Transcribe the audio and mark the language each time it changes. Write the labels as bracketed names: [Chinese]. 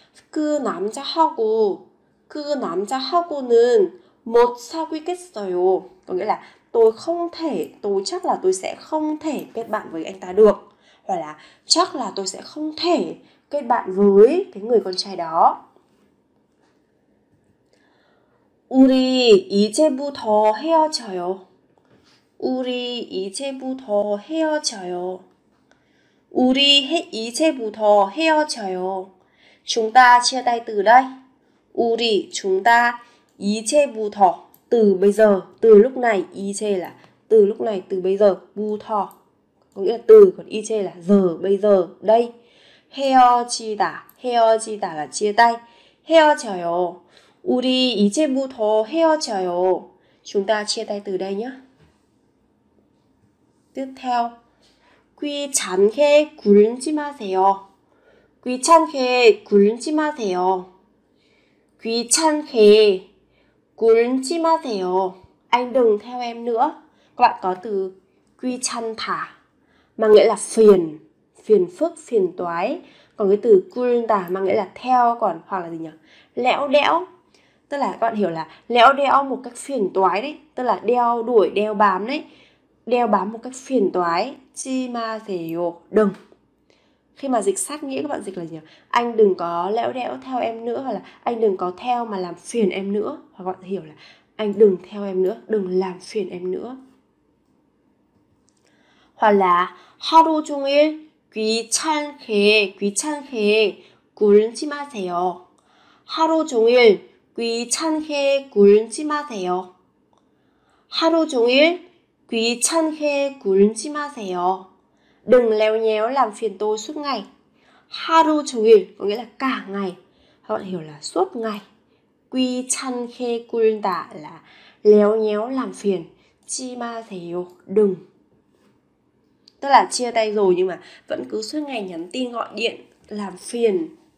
[Korean] 그 남자하고 남자하고는 못 사귀겠어요 [Vietnamese] có nghĩa là tôi chắc là tôi sẽ không thể kết bạn với anh ta được, hoặc là chắc là tôi sẽ không thể kết bạn với cái người con trai đó. [Korean] 우리 이제부터 헤어져요. 우리 이제부터 헤어져요. 우리 이제부터 헤어져요. [Vietnamese] Chúng ta chia tay từ đây. 우리 chúng ta 이제부터 từ bây giờ, từ lúc này. 이제 là từ lúc này, từ bây giờ. 부터 có nghĩa là từ, còn 이제 là giờ, bây giờ, đây. [Korean] 헤어지다. [Vietnamese] 헤어지다 là chia tay. [Korean] 헤어져요. 우리 이제부터 헤어져요. [Vietnamese] Chúng ta chia tay từ đây nhé. Tiếp theo. [Korean] 귀찮게 굴지 마세요. 귀찮게 굴지 마세요. 귀찮게 굴지 마세요. [Vietnamese] Anh đừng theo em nữa. Các bạn có từ 귀찮다 mà nghĩa là phiền, phiền phức, phiền toái. Còn cái từ 굴다 mà nghĩa là theo, còn hoặc là gì nhỉ? Lẽo đẽo. Tức là các bạn hiểu là lẽo đẽo một cách phiền toái đấy, tức là đeo đuổi, đeo bám đấy, đeo bám một cách phiền toái. Chi ma thể yo, đừng. Khi mà dịch sát nghĩa các bạn dịch là gì? Anh đừng có lẽo đẽo theo em nữa, hoặc là anh đừng có theo mà làm phiền em nữa, hoặc các bạn hiểu là anh đừng theo em nữa, đừng làm phiền em nữa. Hoặc là [Korean] 하루 종일 귀찮게 굴지 마세요. 하루 종일 귀찮게 굴지 마세요. 하루 종일 귀찮게 굴지 마세요. [Vietnamese] Đừng leo nhéo làm phiền tôi suốt ngày. [Korean] 하루 종일 [Vietnamese] có nghĩa là cả ngày, các bạn hiểu là suốt ngày. [Korean] 귀찮게 굴다 [Vietnamese] là leo nhéo làm phiền. [Korean] 지 마세요, [Vietnamese] đừng. Tức là chia tay rồi nhưng mà vẫn cứ suốt ngày nhắn tin gọi điện làm phiền.